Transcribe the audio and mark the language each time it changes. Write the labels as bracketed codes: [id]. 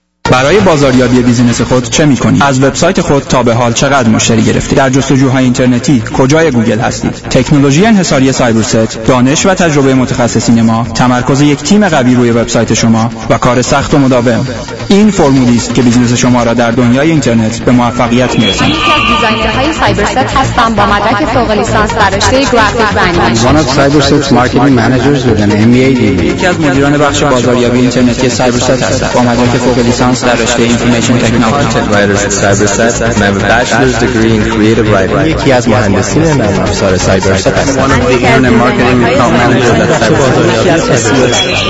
[fa] برای بازاریابی بیزینس خود چه می‌کنی؟ از وبسایت خود تا به حال چقدر مشتری گرفتی؟ در جستجوهای اینترنتی کجای گوگل هستید؟ تکنولوژی انحصاری سایبرست، دانش و تجربه متخصصین ما، تمرکز یک تیم قوی روی وبسایت شما و کار سخت و مداوم، این فرمولی است که بیزینس شما را در دنیای اینترنت به موفقیت می‌رساند. من یکی از دیزاینرهای سایبرست هستم با مدرک فوق لیسانس در رشته گرافیک دیزاین. [en] One of Cybersets marketing managers with an MBA degree. [fa] یکی از مدیران بخش بازاریابی اینترنتی سایبرست هستم با مدرک فوق لیسانس در رشته اینفورمیشن تکنولوژی. [en] content writers سایبرست [fa] من با [en] Bachelor's degree in creative writing. [fa] یکی از مهندسین من افسر سایبرست هستم. [en] Marketing account manager در سایبرست.